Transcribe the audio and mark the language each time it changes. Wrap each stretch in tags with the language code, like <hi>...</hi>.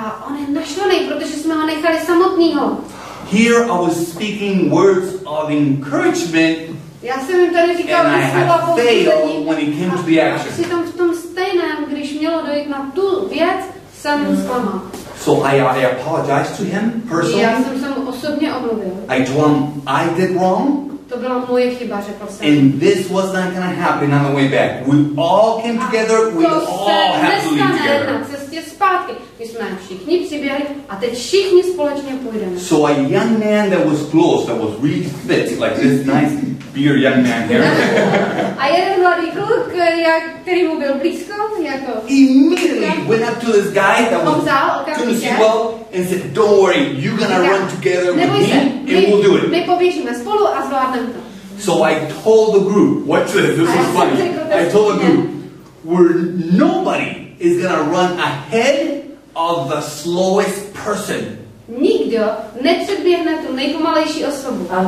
<cs>On je naštvaný, protože jsme ho nechali samotného.</cs> <en>Here I was speaking words of encouragement.</en> <cs>Já jsem jim tady říkal, že slova povzbuzení. A přitom v tom stejném, když mělo dojít na tu věc, jsem zklamal.</cs> <en>So I apologized to him personally.</en> <cs>Já jsem se mu osobně omluvil.</cs> <en>I told him I did wrong.</en> <cs>To byla moje chyba, řekl jsem.</cs> <en>And this was not going to happen on the way back. We all came together, we all had to leave together.</en> <cs>Na cestě zpátky. My jsme všichni přiběhli a teď všichni společně půjdeme.</cs> <en>So a young man that was close, that was really fit, like this nice beard young man here.</en> <cs>A jeden mladý kluk, který mu byl blízko, jako...</cs> <en>Immediately went up to this guy that was couldn't see well. And said, don't worry, you're going to run together with me, and we'll do it.</en> <cs>My poběžíme spolu a zvládneme to.</cs> <en>So I told the group, watch this is funny. I told the group, where nobody is gonna run ahead of the slowest person.</en> <cs>Nikdo nepředběhne tu nejpomalejší osobu.</cs>